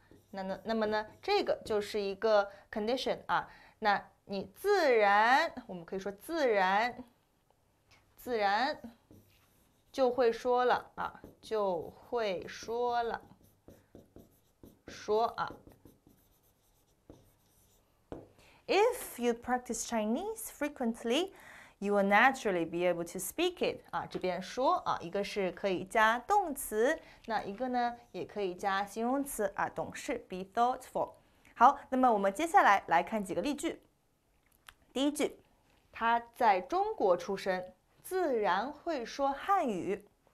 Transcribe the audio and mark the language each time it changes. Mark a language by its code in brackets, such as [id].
[zh] 那么呢，这个就是一个 condition 啊，那你自然，我们可以说自然就会说了啊，就会说了，说啊。 [en] If you practice Chinese frequently, you will naturally be able to speak it. [zh] 啊，这边说啊，一个是可以加动词，那一个呢也可以加形容词啊，懂事， [en] be thoughtful。 [zh] 好，那么我们接下来来看几个例句。第一句，他在中国出生，自然会说汉语。